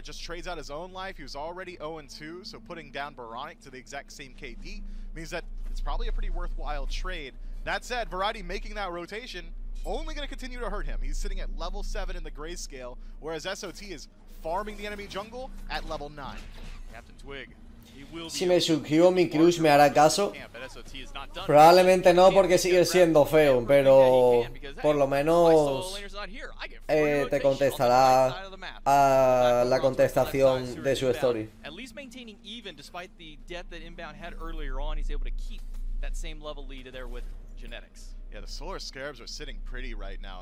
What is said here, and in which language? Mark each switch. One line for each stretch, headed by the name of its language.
English: Just trades out his own life. He was already 0-2, so putting down Baronic to the exact same KD means that it's probably a pretty worthwhile trade. That said, Variety making that rotation only going to continue to hurt him. He's sitting at level 7 in the grayscale, whereas SOT is farming the enemy jungle at level 9. Captain Twig.
Spanish: Si me suscribo mi crush, ¿me hará caso? Probablemente no, porque sigue siendo feo, pero por lo menos te contestará a la contestación de su story.
English: At least maintaining even despite the death that Inbound had earlier on, he's able to keep that same level lead there with Genetics. Yeah, the Solar Scarabs are sitting pretty right now.